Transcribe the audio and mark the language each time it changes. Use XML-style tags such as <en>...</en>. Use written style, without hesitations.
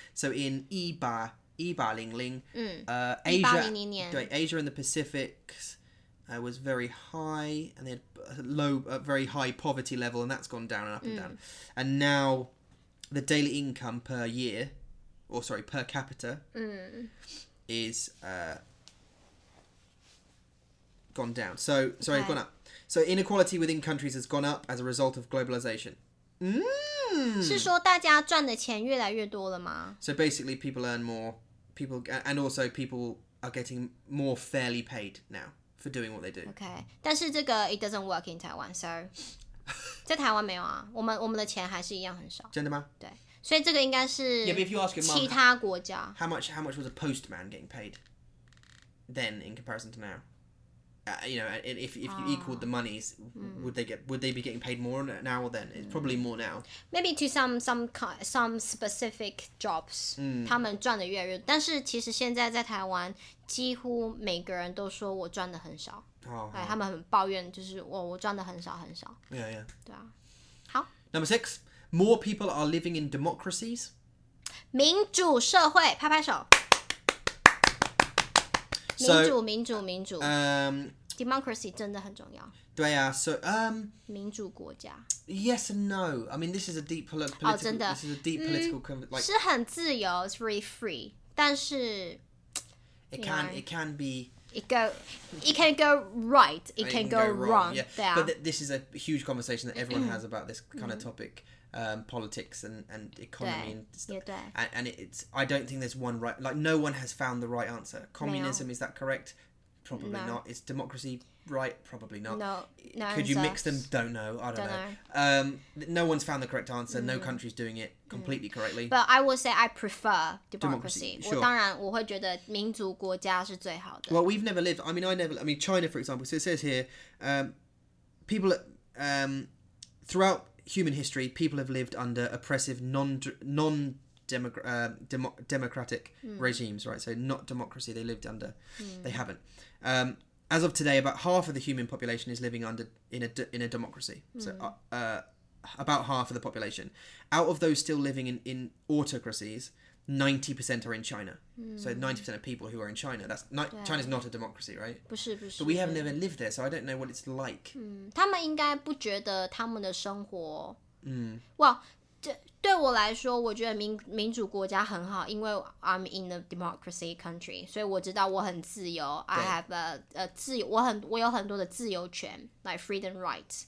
<en>So in 1800, Asia and the Pacific was very high, and they had very high poverty level, and that's gone down and up and down. And now the daily income per capita is gone down. It's gone up. So inequality within countries has gone up as a result of globalization.</en> <zh>Mm. 是说大家赚的钱越来越多了吗?</zh> <en>So basically people earn more. people, and also people are getting more fairly paid now for doing what they do.</en> <zh>Okay, 但是这个</zh> <en>it doesn't work in Taiwan, so</en> <zh>在台湾没有啊，我们的钱还是一样很少。真的吗？对，所以这个应该是</zh> <en>yeah, but if you ask your mom,</en> <zh>其他国家。</zh> <en>How much was a postman getting paid then in comparison to now? You know, if you equaled the monies, would they be getting paid more now or then? It's probably more now. Maybe to some specific jobs,</en> <zh>他们赚的越来越多。但是其实现在在台湾，几乎每个人都说我赚的很少。</zh> <en>Oh,</en> <zh>他们很抱怨，就是我赚的很少很少。</zh> <en>Yeah, yeah.</en> <zh>对啊，好。</zh> <en>Number six, more people are living in democracies.</en> <zh>民主社会，拍拍手。</zh> <en>So,</en> <zh>民主 democracy 真的很重要。对啊 so, 民主国家。</zh> <en>Yes and no. I mean, this is a deep political.</en> <zh>Oh, 真的。</zh> <en>This is a deep political. Like,</en> <zh>是很自由</zh> <en>it's very free.</en> <zh>但是</zh> <en>It can be. It can go right. It can go wrong. Yeah. But this is a huge conversation that everyone has about this kind of topic. Politics and economy and stuff. And it's, I don't think there's one right, like no one has found the right answer. Communism, is that correct? Probably not. Is democracy right? Probably not. No. Could you mix them? Don't know. No one's found the correct answer. No country's doing it completely correctly. But I will say I prefer democracy. Sure.</en> <zh>当然我会觉得民主国家是最好的。</zh> <en>Well, we've never lived. I mean, China, for example, so it says here, people, throughout... Human history, people have lived under oppressive non-democratic regimes, right? So not democracy, they lived under... They haven't. As of today, about half of the human population is living under in a democracy. So about half of the population. Out of those still living in autocracies, 90% are in China. So 90% of people who are in China. China's not a democracy, right?</en> <zh>不是不是。</zh> <en>But we have never lived there, so I don't know what it's like.</en> <zh>他们应该不觉得他们的生活... Well, 对我来说,我觉得民主国家很好,因为</zh> <en>I'm in a democracy country,</en> <zh>所以我知道我很自由。</zh> <en>I have a 自由,</en> <zh>我有很多的自由权,</zh> <en>like freedom rights.</en>